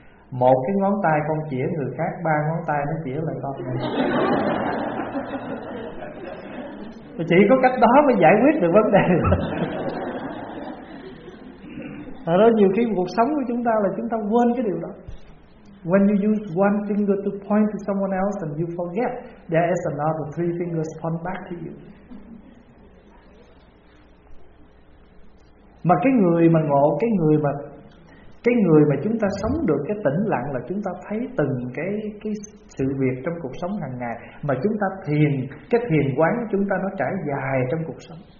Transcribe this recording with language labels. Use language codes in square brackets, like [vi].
[vi] Một cái ngón tay con chỉ người khác, ba ngón tay nó chỉ lại con. Chỉ có cách đó mới giải quyết được vấn đề. Ở đó nhiều khi cuộc sống của chúng ta là chúng ta quên cái điều đó. [en] When you use one finger to point to someone else and you forget there is another three fingers point back to you. [vi] Mà cái người mà ngộ, cái người mà chúng ta sống được cái tĩnh lặng là chúng ta thấy từng cái sự việc trong cuộc sống hàng ngày mà chúng ta thiền, cái thiền quán của chúng ta nó trải dài trong cuộc sống.